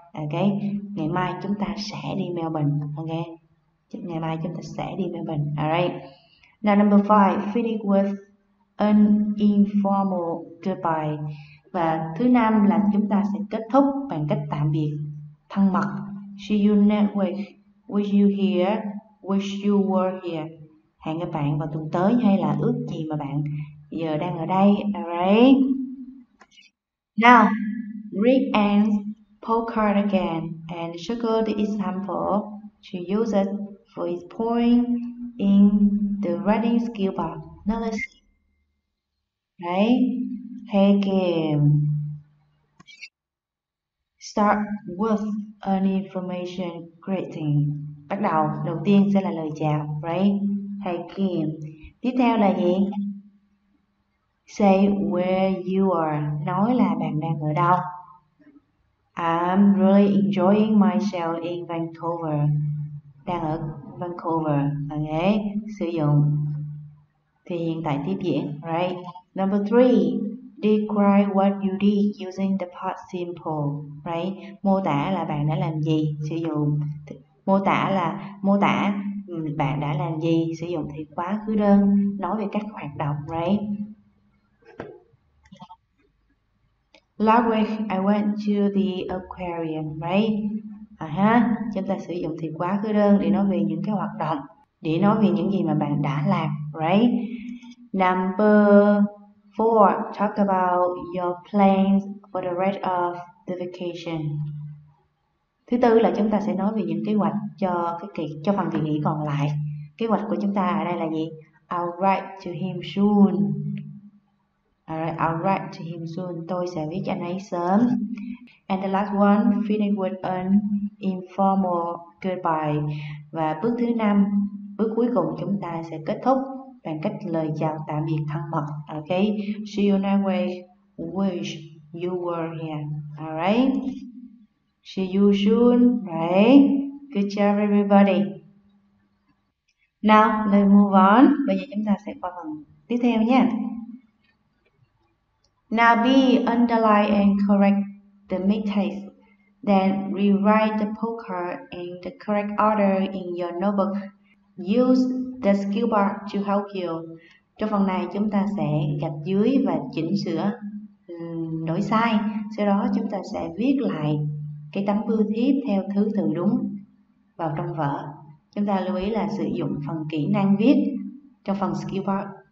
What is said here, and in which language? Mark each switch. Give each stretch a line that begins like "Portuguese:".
Vietnamese: Okay, ngày mai chúng ta sẽ đi Melbourne. Okay, ngày mai chúng ta sẽ đi Melbourne.
English: Alright. Now number five, finish with an informal goodbye.
Vietnamese: Và thứ năm là chúng ta sẽ kết thúc bằng cách tạm biệt thân mật.
English: See you next week. Wish you here. Wish you were here.
Vietnamese: Hẹn gặp bạn vào tuần tới hay là ước gì mà bạn giờ đang ở đây.
English: Alright. Now, read Anne's postcard again and circle the example she uses for his point in the writing skill box. Now let's see. Right? Hey, Kim. Start with an information greeting.
Vietnamese: Bắt đầu tiên sẽ là lời chào.
English: Right? Hey, Kim.
Vietnamese: Tiếp theo là gì?
English: Say where you are.
Vietnamese: Nói là bạn đang ở đâu.
English: I'm really enjoying myself in Vancouver.
Vietnamese: Đang ở Vancouver. Okay. Sử dụng thì hiện tại tiếp diễn.
English: Right. Number three. Describe what you did using the past simple.
Vietnamese: Right. Mô tả là bạn đã làm gì. Sử dụng. Mô tả là mô tả bạn đã làm gì. Sử dụng thì quá khứ đơn. Nói về các hoạt động. Right.
English: Last week I went to the aquarium, right?
Vietnamese: Chúng ta sử dụng thì quá khứ đơn để nói về những cái hoạt động, để nói về những gì mà bạn đã làm, right?
English: Number four, talk about your plans for the rest of the vacation.
Vietnamese: Thứ tư là chúng ta sẽ nói về những kế hoạch cho cho phần kỳ nghỉ còn lại. Kế hoạch của chúng ta ở đây là gì?
English: I'll write to him soon. Alright, I'll write to him soon.
Vietnamese: Tôi sẽ viết cho anh ấy sớm.
English: And the last one, finish with an informal goodbye.
Vietnamese: Và bước thứ năm, bước cuối cùng chúng ta sẽ kết thúc bằng cách lời chào tạm biệt thân mật.
English: Okay, see you next week. Wish you were here. Alright, see you soon. Right, good job everybody. Now, let's move on.
Vietnamese: Bây giờ chúng ta sẽ qua phần tiếp theo nhé.
English: Now B, underline and correct the mistakes, then rewrite the postcard in the correct order in your notebook. Use the skill bar to help you.
Vietnamese: Trong phần này chúng ta sẽ gạch dưới và chỉnh sửa lỗi sai. Sau đó chúng ta sẽ viết lại cái tấm bưu thiếp theo thứ tự đúng vào trong vở. Chúng ta lưu ý là sử dụng phần kỹ năng viết trong phần skill bar.